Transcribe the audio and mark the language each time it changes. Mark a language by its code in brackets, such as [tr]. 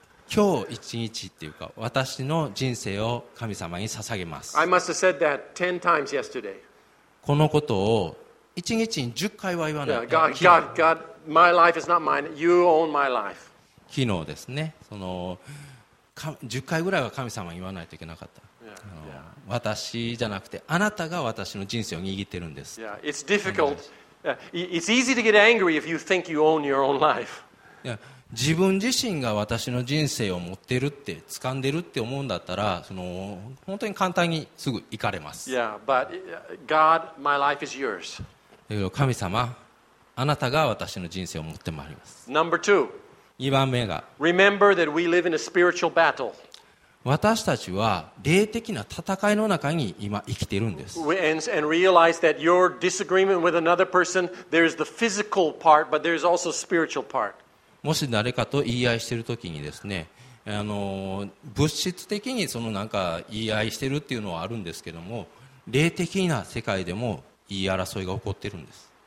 [ja] 今日一日っていうか、私の人生を神様に捧げます。 [en] I must have said that 10 times yesterday. [ja] このことを一日に10回は言わない。 [en] God, my life is not mine. You own my life. [ja] 昨日ですね、その10回ぐらいは神様に言わないといけなかった。 [en] Yeah. [ja] 私じゃなくて、あなたが私の人生を握ってるんです。 [en] Yeah. It's difficult. It's easy to get angry if you think you own your own life. [ja] 自分自身が私の人生を持ってるって掴んでるって思うんだったら、その本当に簡単にすぐ怒れます。 [en] Yeah, but God, my life is yours. [ja] 神様、あなたが私の人生を持ってまいります。 [en] Number two. [ja] 2番目が [en] Remember that we live in a spiritual battle. [ja] 私たちは霊的な戦いの中に今生きているんです。 [en] And realize that your disagreement with another person, there is the physical part, but there is also spiritual part. [ja] もし誰かと言い合いしているときにですね、物質的にそのなんか言い合いしているっていうのはあるんですけども、霊的な世界でも言い争いが起こっているんです。